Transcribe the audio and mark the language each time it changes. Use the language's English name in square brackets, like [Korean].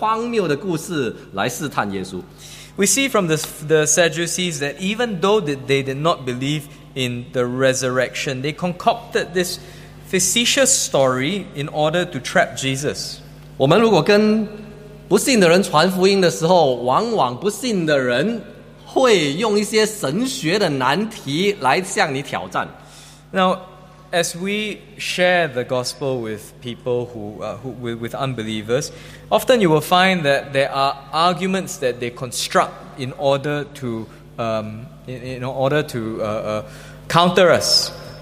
[Chinese] 第二点就是有关这个撒都该人，我们记得这个撒都该人甚至不相信有复活的这个事情，却用这个来创造了一个很荒谬的故事来试探耶稣。 [English] We see from the Sadducees that even though they did not believe in the resurrection, they concocted this facetious story in order to trap Jesus. [Chinese] 我们如果跟不信的人传福音的时候，往往不信的人 [English] Now, as we share the gospel with people who with unbelievers, often you will find that there are arguments that they construct in order to counter us.